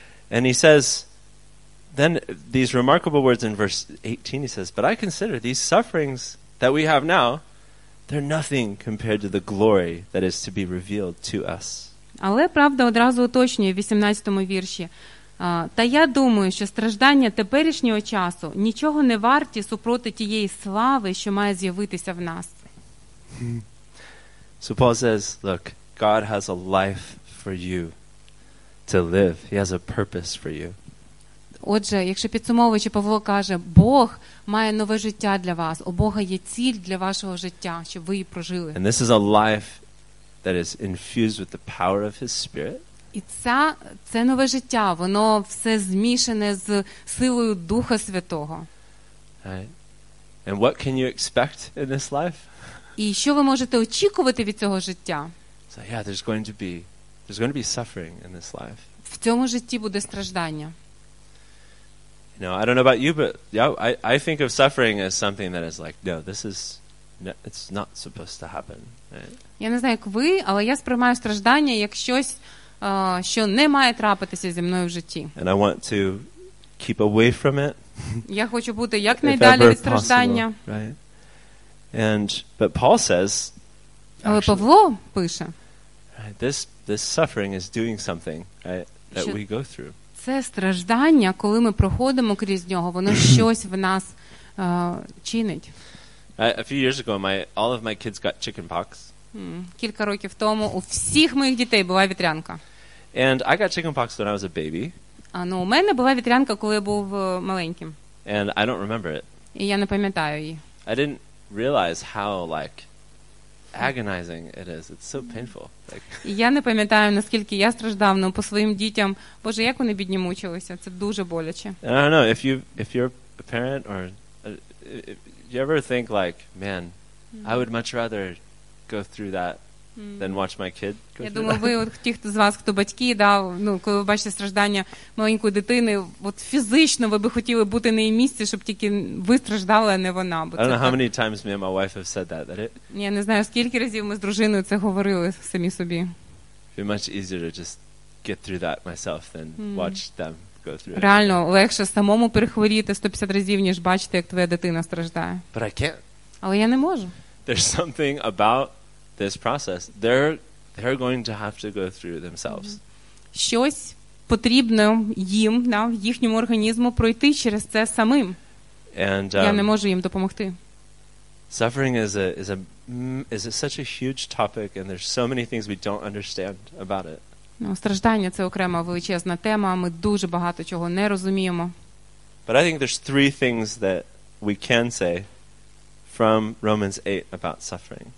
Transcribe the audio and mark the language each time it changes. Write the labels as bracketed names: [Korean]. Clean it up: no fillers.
[English] And he says then these remarkable words in verse 18, he says, but I consider these sufferings that we have now, they're nothing compared to the glory that is to be revealed to us. [Ukrainian] Але правда одразу уточнює в 18-му вірші. Та я думаю, що страждання теперішнього часу нічого не варті супроти тієї слави, що має з'явитися в нас. [English] So Paul says, look, God has a life for you to live. He has a purpose for you. [Ukrainian] Отже, якщо підсумовуючи, Павло каже, Бог має нове життя для вас. У Бога є ціль для вашого життя, щоб ви її прожили. [English] And this is a life that is infused with the power of his spirit. [Ukrainian] І це нове життя, воно все змішане з силою Духа Святого. [English] Right. And what can you expect in this life? [Ukrainian] І що ви можете очікувати від цього життя? [English] So, yeah, there's going to be suffering in this life. [Ukrainian] В цьому житті буде страждання. [English] No, I don't know about you, but yeah, I think of suffering as something that is like, no, this is it's not supposed to happen. [Ukrainian] Я не знаю, як ви, але я сприймаю страждання як щось, що не має трапитися зі мною в житті. [English] And I want to keep away from it. [Ukrainian] Я хочу бути якнайдалі від страждання. [English] Right? But Paul says, [Ukrainian] але Павло пише, [English] this suffering is doing something, right, that we go through. [Ukrainian] Це страждання, коли ми проходимо крізь нього, воно щось в нас чинить. [English] A few years ago all of my kids got chicken pox. [Ukrainian] Кілька років тому у всіх моїх дітей була вітрянка. [English] And I got chicken pox when I was a baby. [Ukrainian] А ну, у мене була вітрянка, коли я був маленьким. [English] And I don't remember it. [Ukrainian] І я не пам'ятаю її. [English] I didn't realize how like agonizing it is. It's so painful. Like, [Ukrainian] я не пам'ятаю, наскільки я страждав, ну, по своїм дітям. Боже, як вони бідні мучилися. Це дуже боляче. [English] I don't know, if you're a parent or if you ever think like, man, I would much rather go through that than watch my kid go through that. [Ukrainian] Я думаю, ви от ті, хто з вас, хто батьки, да, ну, коли ви бачите страждання маленької дитини, от фізично ви би хотіли бути на її місці, щоб тільки ви страждали, а не вона. [English] I don't know how many times me and my wife have said that it. [Ukrainian] Я не знаю, скільки разів ми з дружиною це говорили самі собі. [English] It's much easier to just get through that myself than watch them go through it. [Ukrainian] Реально легше самому перехворіти 150 разів, ніж бачити, як твоя дитина страждає. [English] But I can't. [Ukrainian] Але я не можу. [English] There's something about this process they're going to have to go through themselves. [Ukrainian] Щось потрібно їм, на їхньому організму пройти через це самим. [English] And [Ukrainian] я не можу їм допомогти. [English] Suffering is such a huge topic and there's so many things we don't understand about it. [Ukrainian] Ну, страждання це окрема величезна тема, ми дуже багато чого не розуміємо. [English] But I think there's three things that we can say from Romans 8 about suffering.